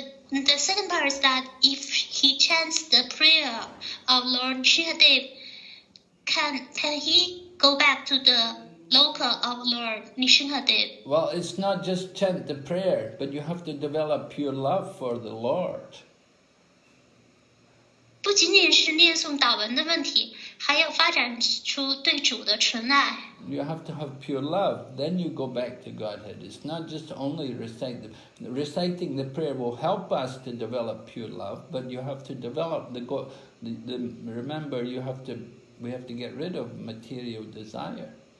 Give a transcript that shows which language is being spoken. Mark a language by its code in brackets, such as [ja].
[en] The second part is that if he chants the prayer of Lord Nrisingadev, can he go back to the local of Lord Nrisingadev? Well, it's not just chant the prayer, but you have to develop pure love for the Lord. [zh] 不仅仅是念诵祷文的问题，还要发展出对主的纯爱。 [en] You have to have pure love, then you go back to Godhead. It's not just only reciting the prayer will help us to develop pure love, but you have to develop we have to get rid of material desire.